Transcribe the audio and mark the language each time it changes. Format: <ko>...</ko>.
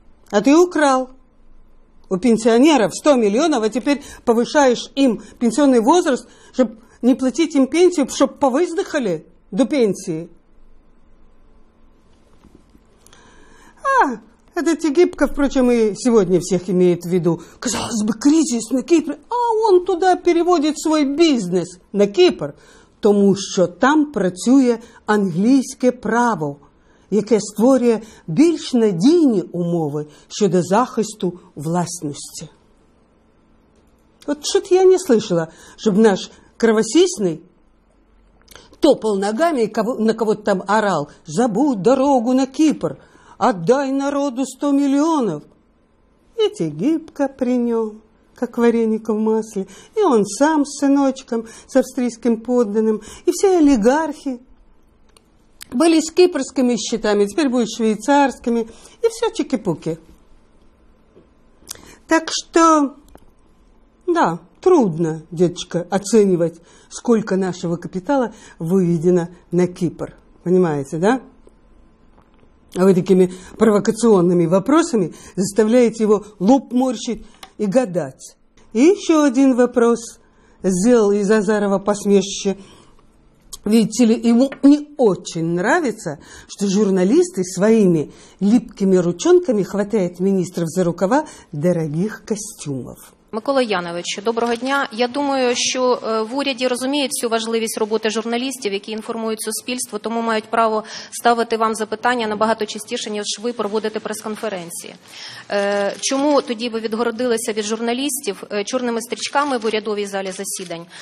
<ru>А ты украл у пенсионеров 100 миллионов, а теперь повышаешь им пенсионный возраст, чтобы не платить им пенсию, чтобы повыздыхали до пенсии. А, этот Египка, впрочем, и сегодня всех имеет в виду. Казалось бы, кризис на Кипре, а он туда переводит свой бизнес на Кипр.</ru> <uk>Тому що там працює англійське право, яке створює більш надійні умови щодо захисту власності.</uk> <ru>От що-то я не слышала,</ru> <uk>щоб наш кровосісний</uk> <ru>топал ногами і на кого-то там орал: «Забудь дорогу на Кіпр, отдай народу 100 мільйонів».</ru> <uk>І ті гибко при ньому.</uk> <ru>Как вареник в масле. И он сам с сыночком, с австрийским подданным. И все олигархи были с кипрскими счетами, теперь будут швейцарскими. И все чики-пуки. Так что, да, трудно, деточка, оценивать, сколько нашего капитала выведено на Кипр. Понимаете, да? А вы такими провокационными вопросами заставляете его лоб морщить и гадать. И еще один вопрос сделал из Азарова посмешище. Видите ли, ему не очень нравится, что журналисты своими липкими ручонками хватают министров за рукава дорогих костюмов.</ru> <uk>Микола Яновичу, доброго дня. Я думаю, що в уряді розуміють всю важливість роботи журналістів, які інформують суспільство, тому мають право ставити вам запитання набагато частіше, ніж ви проводите прес-конференції. Чому тоді ви відгородилися від журналістів чорними стрічками в урядовій залі засідань?</uk>